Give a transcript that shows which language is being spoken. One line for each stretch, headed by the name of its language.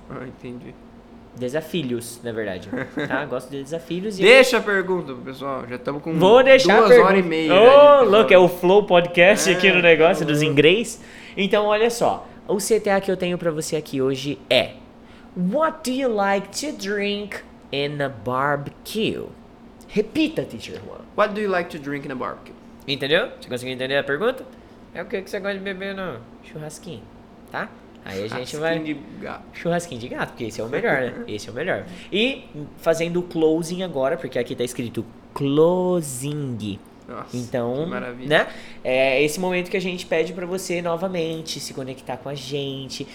Portuguese: Ah, entendi. Desafios, na verdade, tá? Gosto de desafios. Deixa a pergunta, pessoal, já estamos com vou deixar duas horas e meia. Ô, louco, é o Flow Podcast aqui no negócio, dos inglês. Então, olha só, o CTA que eu tenho pra você aqui hoje é...
English: What do you like to drink in a barbecue?
Portuguese: Repita, teacher Juan.
English: What do you like to drink in a barbecue?
Portuguese: Entendeu? Você conseguiu entender a pergunta? É o que você gosta de beber no churrasquinho, tá? Aí a gente vai... Churrasquinho de gato. Churrasquinho de gato, porque esse é o melhor, né? Esse é o melhor. E fazendo closing agora, porque aqui tá escrito closing. Nossa, então, que maravilha. Né? É esse momento que a gente pede pra você novamente se conectar com a gente.